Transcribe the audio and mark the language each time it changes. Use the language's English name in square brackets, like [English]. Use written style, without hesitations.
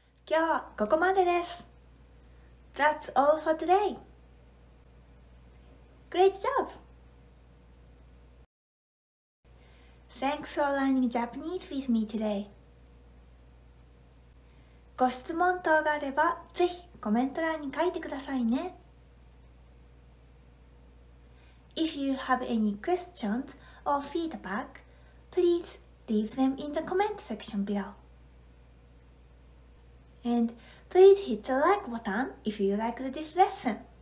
[Japanese] 今日はここまでです。 [English] That's all for today. Great job! Thanks for learning Japanese with me today. [Japanese] ご質問等があれば、ぜひコメント欄に書いてくださいね。 [English] If you have any questions or feedback, please leave them in the comment section below. And please hit the like button if you liked this lesson.